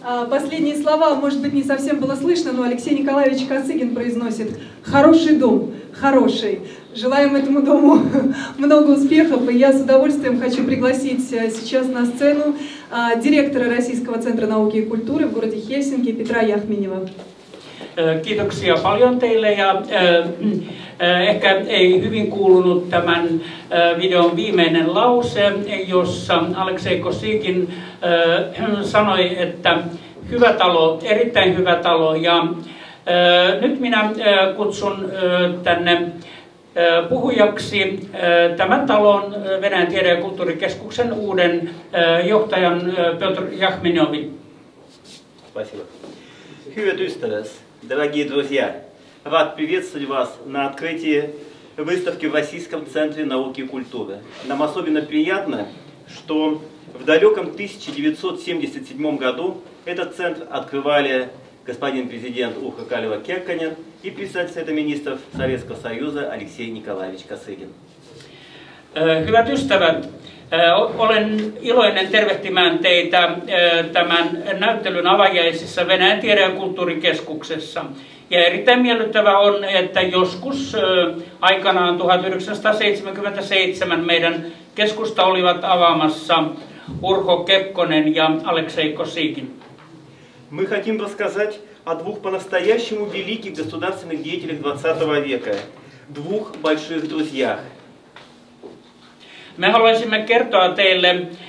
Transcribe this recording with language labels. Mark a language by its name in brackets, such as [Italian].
[Russian] Последние слова, может быть, не совсем было слышно, но Алексей Николаевич Косыгин произносит: «Хороший дом, хороший». Желаем этому дому много успехов, и я с удовольствием хочу пригласить сейчас на сцену директора Российского центра науки и культуры в городе Хельсинки Петра Яхминева. [Finnish] Kiitoksia paljon teille ja ehkä ei hyvin kuulunut tämän videon viimeinen lause, jossa Aleksei Kosygin sanoi, että hyvä talo, erittäin hyvä talo, ja nyt minä kutsun tänne puhujaksi tämän talon Venäjän tiede- ja kulttuurikeskuksen uuden johtajan Петр Яхминевин. [Russian] Спасибо. [Finnish] Hyvät ystävät, [Russian] дорогие друзья, рад приветствовать вас на открытии выставки в Российском центре науки и культуры. Нам особенно приятно, что в далеком 1977 году этот центр открывали господин президент Урхо Калева Кекконен и председатель министров Советского Союза Алексей Николаевич Косыгин. [Finnish] Hyvät ystävät, olen iloinen tervehtimään teitä tämän näyttelyn avajaisissa Venäjän tiede- ja kulttuurikeskuksessa. Ja erittäin miellyttävä on, että joskus aikanaan 1977 meidän keskusta olivat avaamassa Урхо Кекконен ja Алексей Косыгин. [Russian] Мы хотим рассказать о двух по-настоящему великих государственных деятелях 20 века, двух больших друзьях. Мы хотим рассказать вам